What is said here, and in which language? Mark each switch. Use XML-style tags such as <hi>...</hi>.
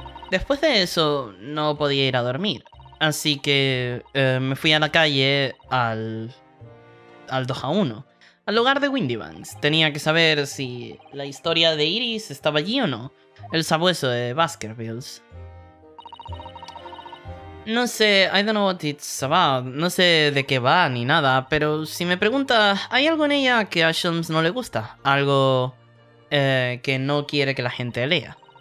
<es>Después de eso, no podía ir a dormir. Así que me fui a la calle al 2-1, al lugar de Windy Vans. Tenía que saber si la historia de Iris estaba allí o no. El sabueso de Baskervilles.</es> <en>No sé, I don't know what it's about.</en> <es>No sé de qué va ni nada, pero si me preguntas, ¿hay algo en ella que a Shums no le gusta? Algo que no quiere que la gente lea.</es>